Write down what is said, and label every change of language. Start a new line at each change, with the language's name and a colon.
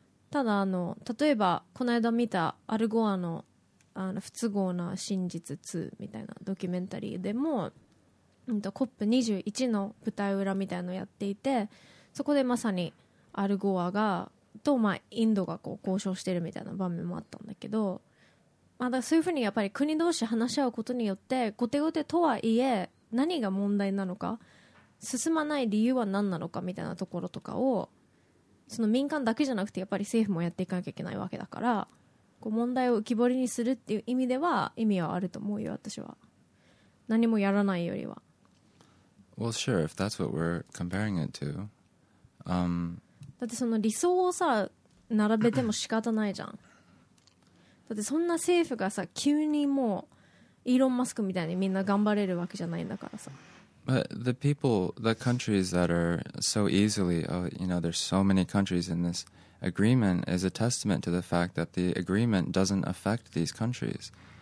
Japanese: ただあの例えばこの間見たアルゴア の不都合な真実2みたいなドキュメンタリーでも、COP21 の舞台裏みたいなのをやっていて、そこでまさにアルゴアがと、まあ、インドがこう交渉してるみたいな場面もあったんだけど、まあ、だそういうふうにやっぱり国同士話し合うことによって、後手後手とはいえ何が問題なのか、進まない理由は何なのかみたいなところとかを、その民間だけじゃなくてやっぱり政府もやっていかなきゃいけないわけだから、こう問題を浮き彫りにするっていう意味では意味はあると思うよ、私は。何もやらないよりは。
English: Well sure, if that's what we're comparing it to、
Japanese: だってその理想をさ並べても仕方ないじゃん。だってそんな政府がさ急にもうイーロン・マスクみたいにみんな頑張れるわけじゃないんだからさ。
English: But the people, the countries that are so easily, you know, there's so many countries in this agreement is a testament to the fact that the agreement doesn't affect these countries.